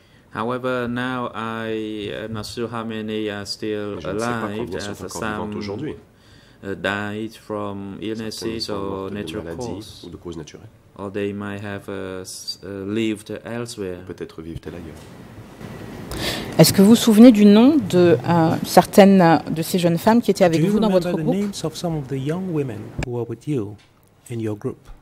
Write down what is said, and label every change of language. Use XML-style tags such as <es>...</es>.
<en>However, now I am not sure how many are still alive.</en> <fr>Je ne sais pas combien sont encore vivantes aujourd'hui.</fr> <en>Died from illnesses or natural causes. Or they might have lived elsewhere.</en> <fr>Peut-être vivent-elles ailleurs. Est-ce que vous vous souvenez du nom de certaines de ces jeunes femmes qui étaient avec vous dans votre groupe?</fr> <en>Do you remember the names of some of the young women who were with you in your group?</en>